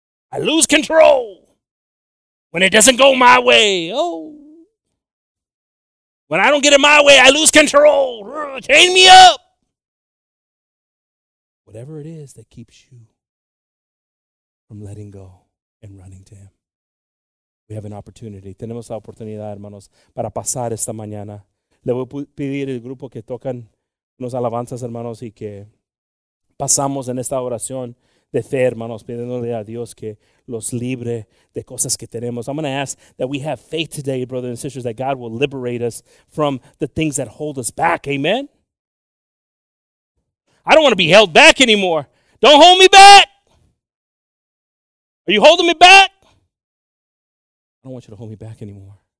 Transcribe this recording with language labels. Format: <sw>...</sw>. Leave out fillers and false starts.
<en>I lose control when it doesn't go my way. Oh! When I don't get it my way, I lose control. Chain me up! Whatever it is that keeps you from letting go and running to him. We have an opportunity.</en> <es>Tenemos la oportunidad, hermanos, para pasar esta mañana. Le voy a pedir al grupo que tocan unos alabanzas, hermanos, y que pasamos en esta oración de fe, hermanos, pidiéndole a Dios que los libre de cosas que tenemos.</es> <en>I'm going to ask that we have faith today, brothers and sisters, that God will liberate us from the things that hold us back. Amen? I don't want to be held back anymore. Don't hold me back. Are you holding me back? I don't want you to hold me back anymore.</en>